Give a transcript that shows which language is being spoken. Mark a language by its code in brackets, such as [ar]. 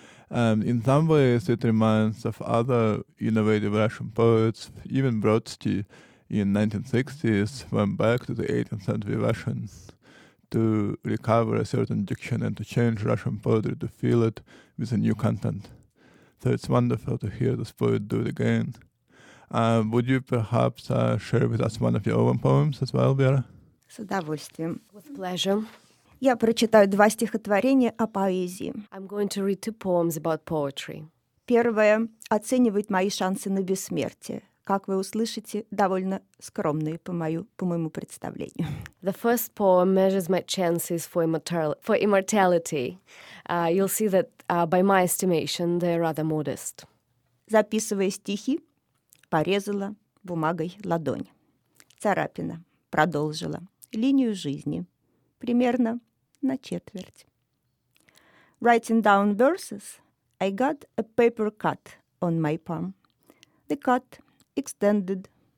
[en] And in some ways it reminds of other innovative Russian poets, even Brodsky in 1960s went back to the 18th century Russians to recover a certain diction and to change Russian poetry to fill it with a new content. So it's wonderful to hear this poet do it again. Would you perhaps share with us one of your own poems as well, Вера? [ru] С удовольствием. [en] With pleasure. [ru] Я прочитаю два стихотворения о поэзии. [en] I'm going to read two poems about poetry. [ru] Первое оценивает мои шансы на бессмертие. Как вы услышите, довольно скромные по моему представлению. [en] The first poem measures my chances for immortality. You'll see that by my estimation they are rather modest. [ru] Записывая стихи, порезала бумагой ладонь. Царапина. Продолжила линию жизни примерно на четверть. [en] Writing down verses, I got a paper cut on my palm. The cut extended